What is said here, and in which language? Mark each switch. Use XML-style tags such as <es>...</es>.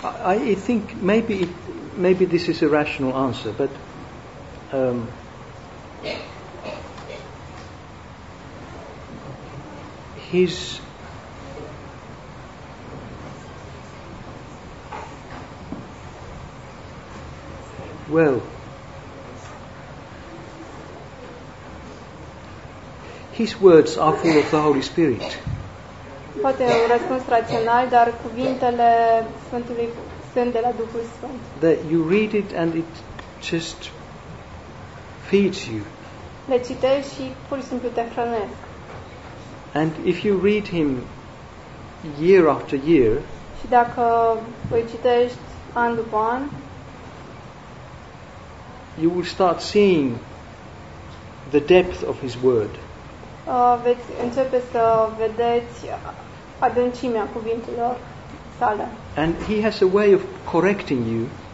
<en>I think maybe this is a rational answer, but his words are full of the Holy Spirit.</en> <ro>Poate un răspuns rațional, dar cuvintele Sfântului sunt de la Duhul Sfânt.</ro> <en>That you read it and it just feeds you.</en> <ro>Le citești și pur și simplu te hrănesc.</ro> <en>And if you read him year after year,</en> <ro>și dacă îi citești an după an,</ro> <en>you will start seeing the depth of his word.</en> <ro>Veți începe să vedeți adâncimea cuvintelor sale.</ro> <en>And he has a way of correcting you.</en>